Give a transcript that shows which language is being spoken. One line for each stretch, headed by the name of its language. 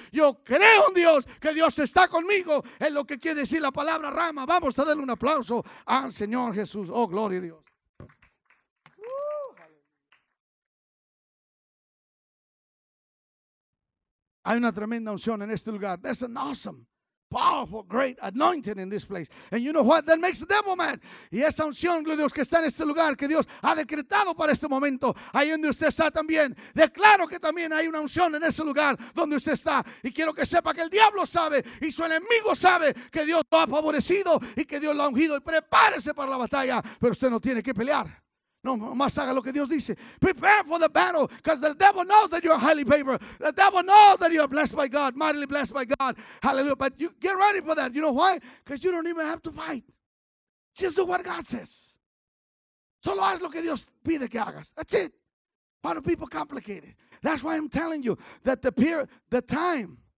Spanish: Yo creo en Dios, que Dios está conmigo, es lo que quiere decir la palabra Rama. Vamos a darle un aplauso al Señor Jesús. Oh, gloria a Dios. Hay una tremenda unción en este lugar.
English: There's an awesome, powerful, great anointing in this place. And you know what? That makes the devil mad.
Spanish: Y esa unción, gloria a Dios, que está en este lugar, que Dios ha decretado para este momento, ahí donde usted está también. Declaro que también hay una unción en ese lugar donde usted está. Y quiero que sepa que el diablo sabe y su enemigo sabe que Dios lo ha favorecido y que Dios lo ha ungido. Y prepárese para la batalla, pero usted no tiene que pelear. No, más haga lo que Dios dice.
English: Prepare for the battle, because the devil knows that you're highly favored. The devil knows that you're blessed by God, mightily blessed by God. Hallelujah. But you get ready for that. You know why? Because you don't even have to fight. Just do what God says.
Spanish: Solo haz lo que Dios pide que hagas.
English: That's it. Why do people complicate it? That's why I'm telling you that the time.